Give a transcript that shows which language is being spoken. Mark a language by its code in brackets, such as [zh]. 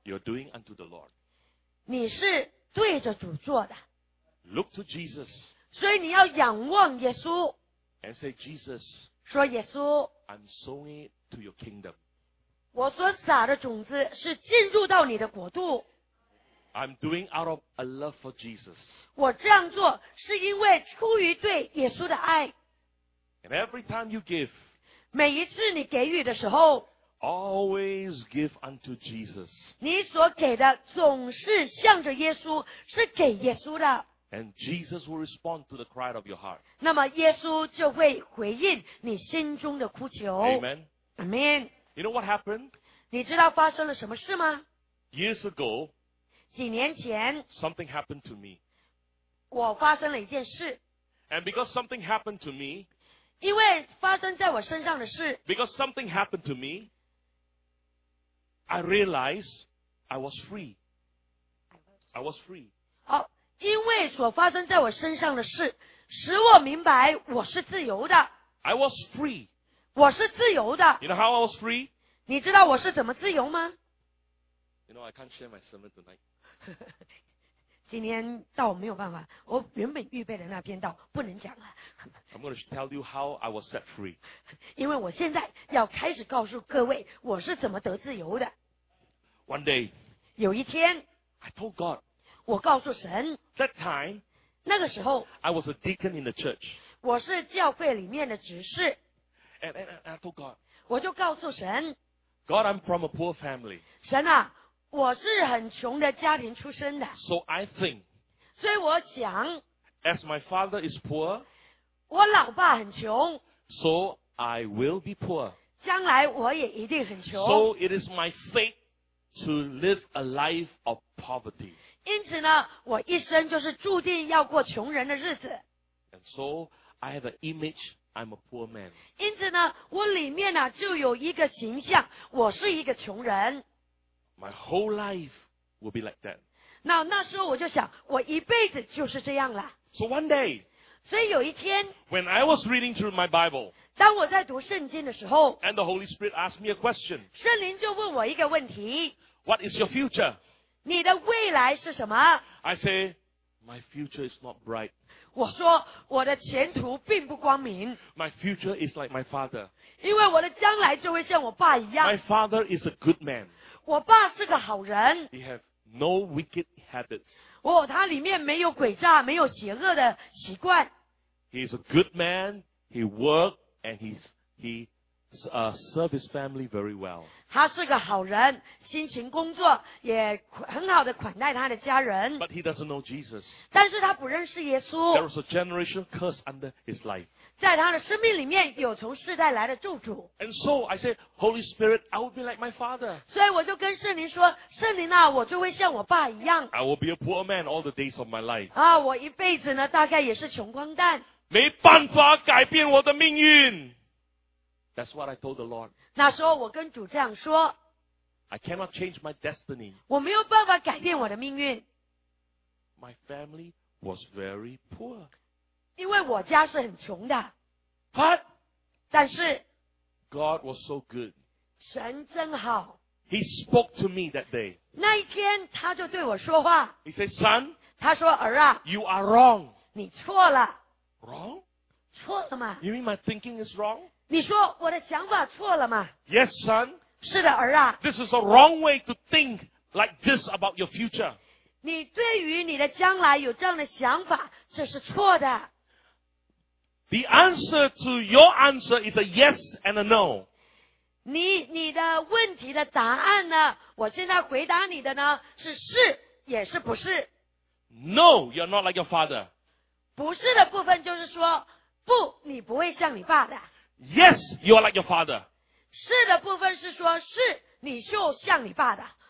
[en] You're doing unto the Lord. [zh] 你是对着主做的 [en] Look to Jesus. [zh] 所以你要仰望耶稣 [en] And say Jesus. [zh] 说耶稣 [en] I'm sowing it to your kingdom. [zh] 我所撒的种子是进入到你的国度 [en] I'm doing out of a love for Jesus. [zh] 我这样做是因为出于对耶稣的爱 [en] And every time you give. [zh] 每一次你给予的时候 [en] Always give unto Jesus. [zh] 你所给的总是向着耶稣，是给耶稣的。 [en] And Jesus will respond to the cry of your heart. [zh] 那么耶稣就会回应你心中的哭求。 [en] Amen. Amen. You know what happened? [zh] 你知道发生了什么事吗? [en] Years ago, [zh] 几年前, [en] something happened to me. [zh] 我发生了一件事。 [en] And because something happened to me, Because something happened to me, I realized I was free. I was free. [zh] 好，因为所发生在我身上的事，使我明白我是自由的。 [en] I was free. [zh] 我是自由的。 [en] You know how I was free? [zh] 你知道我是怎么自由吗？ [en] You know, I can't share my sermon tonight. [zh] 今天道没有办法，我原本预备的那篇道不能讲了。 [en] I'm going to tell you how I was set free. [zh] 因为我现在要开始告诉各位我是怎么得自由的。 [en] One day. [zh] 有一天。 [en] I told God. [zh] 我告诉神。 [en] That time. [zh] 那个时候。 [en] I was a deacon in the church. [zh] 我是教会里面的执事。 [en] And I told God. [zh] 我就告诉神。 [en] God, I'm from a poor family. [zh] 神啊。我是很穷的家庭出生的。 [en] So I think. [zh] 所以我想。 [en] As my father is poor. [zh] 我老爸很穷。 [en] So I will be poor. [zh] 将来我也一定很穷。 [en] So it is my fate to live a life of poverty. [zh] 因此呢，我一生就是注定要过穷人的日子。 [en] And so I have an image I'm a poor man. [zh] 因此呢，我里面呢就有一个形象，我是一个穷人。 [en] My whole life will be like that. [zh] 那时候我就想，我一辈子就是这样了。 [en] So one day, [zh] 所以有一天 [en] when I was reading through my Bible, [zh] 当我在读圣经的时候 [en] and the Holy Spirit asked me a question, [zh] 圣灵就问我一个问题 [en] What is your future? [zh] 你的未来是什么？ [en] I say, my future is not bright. [zh] 我说我的前途并不光明。 [en] My future is like my father. [zh] 因为我的将来就会像我爸一样。 [en] My father is a good man. [zh] 我爸是个好人。 [en] He has no wicked habits. [zh] 哦，他里面没有诡诈，没有邪恶的习惯。 [en] He is a good man. He works and he serves his family very well. [zh] 他是个好人，辛勤工作，也很好的款待他的家人。 [en] But he doesn't know Jesus. [zh] 但是他不认识耶稣。 [en] There was a generation curse under his life. [zh] 在他的生命里面有从世代来的咒诅。 [en] And so I said, Holy Spirit, I will be like my father. [zh] 所以我就跟圣灵说，圣灵啊，我就会像我爸一样。 [en] I will be a poor man all the days of my life. [zh] 啊，我一辈子呢，大概也是穷光蛋。没办法改变我的命运。 [en] That's what I told the Lord. [zh] 那时候我跟主这样说。 [en] I cannot change my destiny. [zh] 我没有办法改变我的命运。 [en] My family was very poor. [zh] 因为我家是很穷的。 [en] But, [zh] 但是 [en] God was so good. [zh] 神真好。 [en] He spoke to me that day. [zh] 那一天他就对我说话。 [en] He said, Son, [zh] 他说儿啊 [en] you are wrong. [zh] 你错了。 [en] Wrong? [zh] 错了吗？ [en] You mean my thinking is wrong? [zh] 你说我的想法错了吗？ [en] Yes, son. [zh] 是的儿啊。 [en] This is a wrong way to think like this about your future. [zh] 你对于你的将来有这样的想法这是错的。 [en] The answer to your answer is a yes and a no. [zh] 你的问题的答案呢？我现在回答你的呢，是是也是不是。 [en] No, you're not like your father. [zh] 不是的部分就是说，不，你不会像你爸的。 [en] Yes, you're like your father. [zh] 是的部分是说，是，你就像你爸的。